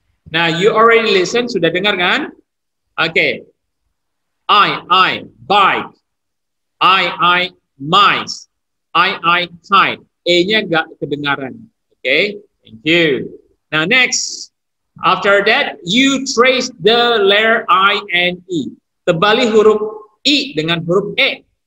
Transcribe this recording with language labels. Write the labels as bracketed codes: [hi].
[en] Now you already listened, [id] sudah dengar kan? [en] Okay. I. Bike. I. Mice. I kite. [id] E-nya enggak kedengaran. [en] Okay, thank you. Now next, after that, you trace the letter I and E. [id] Tebali huruf E dengan huruf E.